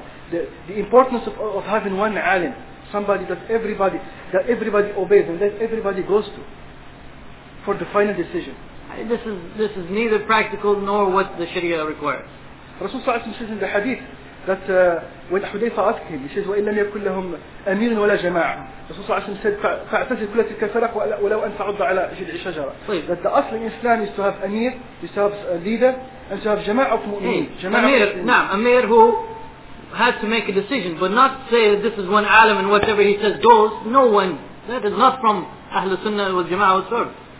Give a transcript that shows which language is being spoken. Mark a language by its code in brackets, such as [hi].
[en] The importance of having one alim, somebody that everybody obeys and that everybody goes to for the final decision. This is neither practical nor what the Sharia requires. Rasulullah says in the hadith that when Hudayfa asked him, he says, [ar] وَإِن لَمْ يَكُنْ لَهُمْ أَمِيرٌ وَلَا جَمَاعَةٌ. [en] Rasulullah said, [ar] فَأَعْتَزِلْ كُلَّ تِلْكَ الْفَرَقُ وَلَوْ أَنْ تَعُضَّ عَلَى جِلْعِ الشَّجَرَةِ. [en] That the Aslan Islam is to have Amir, is to have a leader, and to have Jama'a of Mu'min. Amir who has to make a decision, but not say that this is one alim and whatever he says goes. No one. That is not from Ahl Sunnah wal Jama'a wal Surah.